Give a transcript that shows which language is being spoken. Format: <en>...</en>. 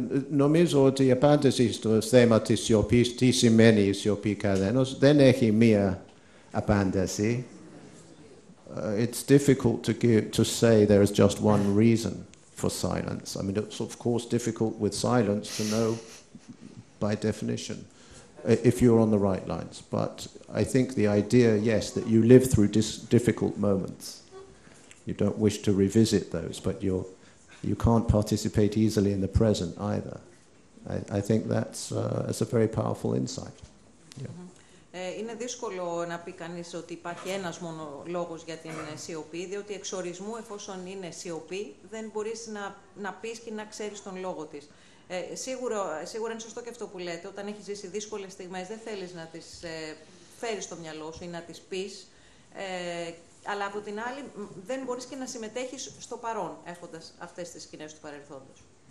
<el>Νομίζω ότι η απάντηση στο θέμα της σιωπής, τι σημαίνει η σιωπή καθένας, δεν έχει μία απάντηση.</el> <en>It's difficult to say there is just one reason for silence. I mean, it's of course difficult with silence to know by definition if you're on the right lines. But I think the idea, yes, that you live through difficult moments. You don't wish to revisit those, but you can't participate easily in the present either. I think that's a very powerful insight. Yeah.</en> <el>Είναι δύσκολο να πει κανείς ότι υπάρχει ένας μόνο λόγος για την σιωπή, διότι εξ ορισμού, εφόσον είναι σιωπή, δεν μπορείς να πεις και να ξέρεις τον λόγο της. Σίγουρα είναι σωστό και αυτό που λέτε, όταν έχεις ζήσει δύσκολες στιγμές, δεν θέλεις να τις φέρεις στο μυαλό σου ή να τις πεις, αλλά από την άλλη δεν μπορείς και να συμμετέχεις στο παρόν, έχοντας αυτές τις σκηνές του παρελθόντος.</el>